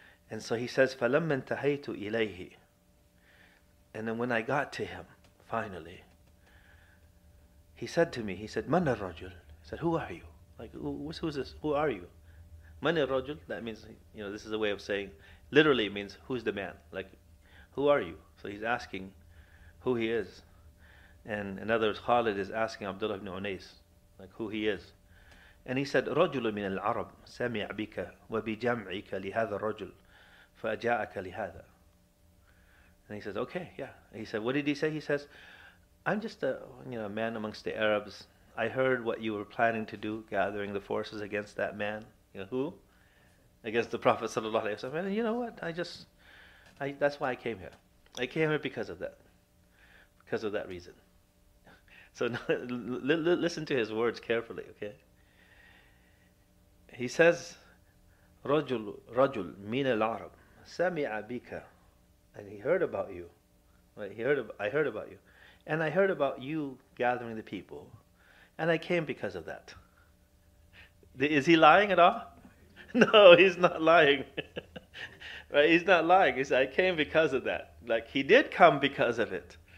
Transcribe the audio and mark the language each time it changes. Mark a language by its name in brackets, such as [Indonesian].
[English] And so he says, [Arabic] فَلَمَّا انْتَهَيْتُ إِلَيْهِ. [English] And then when I got to him, finally, he said to me, he said, [Arabic] مَنَ الرَّجُلُ. [English] He said, who are you? Like, who's this? Who are you? [Arabic] مَنَ الرَّجُلُ, [English] that means, you know, this is a way of saying, literally it means, who's the man? Like, who are you? So he's asking who he is. And in other words, Khalid is asking Abdullah ibn Unais, like, who he is. And he said, [Arabic] رَجُلٌ مِنَ الْعَرَبِ سَمِعْ بِكَ وَبِجَمْعِكَ لِهَذَا الرَّجُلِ فَأَجَاءَكَ لِهَذَا. [English] And he says, okay, yeah. He said, what did he say? He says, I'm just a man amongst the Arabs. I heard what you were planning to do, gathering the forces against that man. You know, who? Against the Prophet sallallahu alaihi wasallam. And you know what? That's why I came here. I came here because of that. Because of that reason. So listen to his words carefully, okay? He says, [Arabic] رَجُلْ مِنَ الْعَرَبِ سَمِعَ بِكَ. [English] And he heard about you. I heard about you. And I heard about you gathering the people. And I came because of that. Is he lying at all? No, he's not lying. Right? He's not lying. He said, I came because of that. Like, he did come because of it.